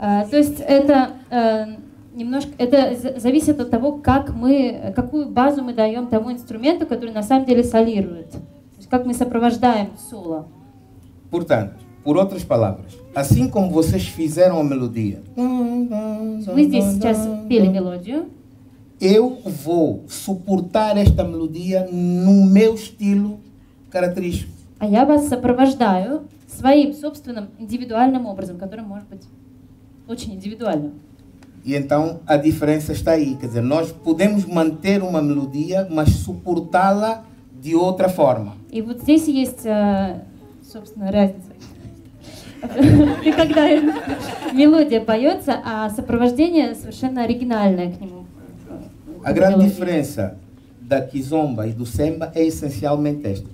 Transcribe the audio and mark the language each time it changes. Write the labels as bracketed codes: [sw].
[ru] То есть это немножко, это зависит от того, как мы, какую базу мы даем тому инструменту, который на самом деле солирует. То есть как мы сопровождаем соло. [pt] Portanto, por outras palavras, assim como vocês fizeram a melodia. [ru] Мы здесь сейчас пели мелодию. [pt] Eu vou suportar esta melodia no meu estilo característico. [ru] А я вас сопровождаю своим собственным индивидуальным образом, который может быть очень индивидуальным. [pt] И então a diferença está aí, quer dizer, nós podemos manter uma melodia, mas suportá-la de outra forma. [ru] И вот здесь есть, собственно, разница. И когда мелодия поется, а сопровождение совершенно оригинальное к нему. [pt] A grande diferença da kizomba e do semba é essencialmente esta.